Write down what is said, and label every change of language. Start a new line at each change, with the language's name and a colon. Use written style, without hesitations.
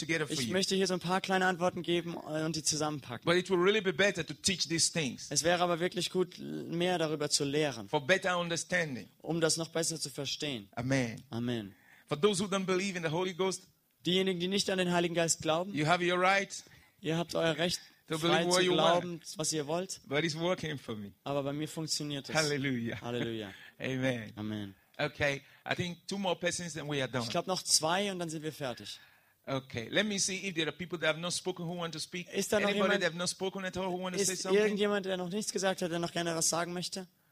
German: Ich möchte hier so ein paar kleine Antworten geben und die zusammenpacken.
English: But it will really be better to teach these things.
German: Es wäre aber wirklich gut, mehr darüber zu lehren.
English: For better understanding.
German: Um das noch besser zu verstehen.
English: Amen.
German: Amen.
English: For those who don't believe in the Holy Ghost,
German: diejenigen, die nicht an den Heiligen Geist glauben,
English: you have your right,
German: ihr habt euer Recht, frei zu glauben, was ihr wollt.
English: But it's working for me.
German: Aber bei mir funktioniert es.
English: Halleluja.
German: Halleluja.
English: Amen.
German: Amen.
English: Okay, I think two more persons and we are done.
German: Ich glaube noch zwei und dann sind wir fertig.
English: Okay, let me see if there are people that have not spoken who want to speak.
German: Ist da
English: Anybody
German: jemand,
English: that have not spoken at all who want to say something?
German: Ist irgendjemand, der noch nichts gesagt hat, der noch gerne was sagen möchte?